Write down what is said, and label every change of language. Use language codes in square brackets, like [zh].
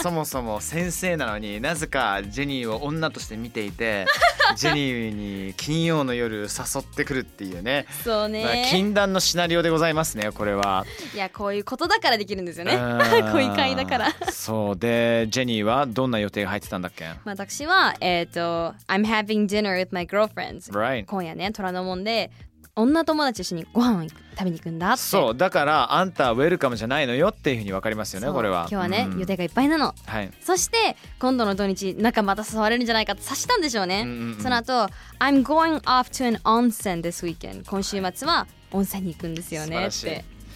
[ja] そもそも先生なのになぜかジェニーを女として見ていて、ジェニーに金曜の夜誘ってくるっていうね。そうね、まあ、禁断のシナリオでございますねこれは。いや、こういうことだからできるんですよね、こういう会だから。そうで、ジェニーはどんな予定が入ってたんだっけ。まあ、私は [en] I'm having dinner with my girlfriends、 right. [ja] 今夜ね、虎ノ門で女友達一緒にご飯を食べに行くんだって。そうだからあんたウェルカムじゃないのよっていうふうに分かりますよね。これは今日はね、うん、予定がいっぱいなの、はい、そして今度の土日仲また誘われるんじゃないかと察したんでしょうね、うんうんうん、その後 [en] I'm going off to an onsen this weekend、 [ja] 今週末は温泉に行くんですよねって、はい、